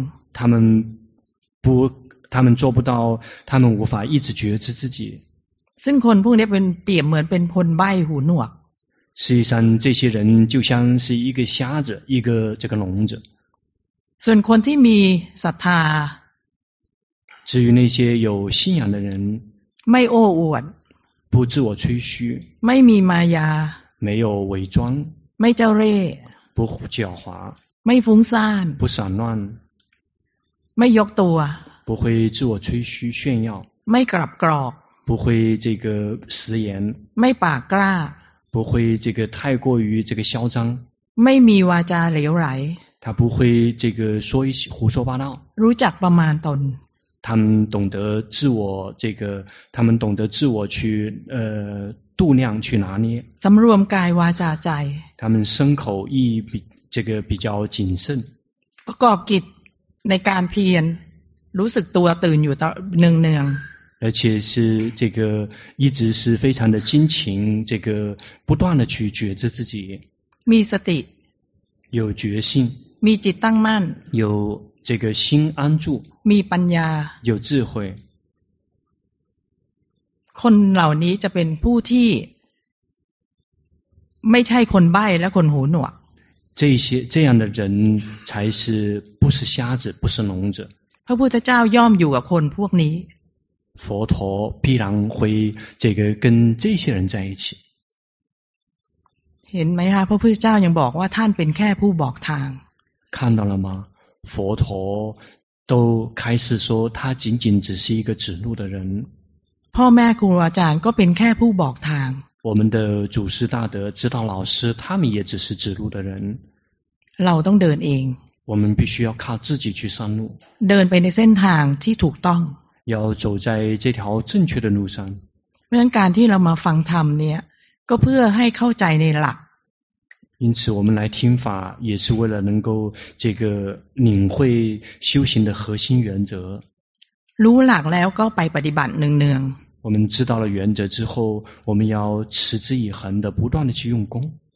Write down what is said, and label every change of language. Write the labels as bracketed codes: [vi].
[zh] ๆ，他们做不到，他们无法一直觉知自己， [th] ซึ่งคนพวกนี้เป็นเปรียบเหมือนเป็นคนใบ้หูหนวก， [zh] 实际上这些人就像是一个瞎子，一个这个聋子。 [th] ส่วนคนที่มีศรัทธา， [zh] 至于那些有信仰的人， [th] ไม่โอ้อวด， [zh] 不自我吹嘘， [th] ไม่มีมายา， [zh] 没有伪装， [th] ไม่เจ้าเร่， [zh] 不狡猾， [th] ไม่ฟุ้งซ่าน， [zh] 不散乱， [th] ไม่ยกตัว， [zh] 不会自我吹嘘炫耀， [th] ไม่กลับกรอก， [zh] 不会这个食言， [th] ไม่ปากกล้า， [zh] 不会这个太过于这个嚣张， [th] ไม่มีวาจาเหลวไหล， [zh] 他不会这个说一些胡说八道， [th] รู้จักประมาณตน， [zh] 他们懂得自我这个，他们懂得自我去度量去拿捏， [th] สำรวมกายวาจาใจ， [zh] 他们身口意比这个比较谨慎， [th] ประกอบกิจในการเพียรรู้สึกตัวตื่นอยู่ตลอดเนือง [zh] ๆ，而且是这个一直是非常的精勤，这个不断的去觉知自己， [th] มีสติ， [zh] 有决心， [th] มีจิตตั้งมั่น， [zh] 有这个心安住， [th] มีปัญญา， [zh] 有智慧。 [th] คนเหล่านี้จะเป็นผู้ที่ไม่ใช่คนใบ้และคนหูหนวก。 [zh] 这样的人才是不是瞎子，不是聋子。 [th] พระพุทธเจ้าย่อมอยู่กับคนพวกนี้。 [zh] 佛陀必然会这个跟这些人在一起。 [th] เห็นไหมคะพระพุทธเจ้ายังบอกว่าท่านเป็นแค่ผู้บอกทาง。 [zh] 看到了吗？佛陀都开始说他仅仅只是一个指路的人。 [th] พ่อแม่ครูอาจารย์ก็เป็นแค่ผู้บอกทาง。 [zh] 我们的祖师大德指导老师他们也只是指路的人。 [th] เราต้องเดินเอง。 [zh] 我们必须要靠自己去上路。 [th] เดินไปในเส้นทางที่ถูกต้อง。 [zh] 要走在这条正确的路上。 [th] เพราะฉะนั้นการที่เรามาฟังธรรมเนี่ยก็เพื่อให้เข้าใจในหลัก。 [zh] 因此我们来听法也是为了能够这个领会修行的核心原则。 [th] รู้หลักแล้วก็ไปปฏิบัติเนือง ๆ。 [zh] 我们知道了原则之后，我们要持之以恒的不断的去用功。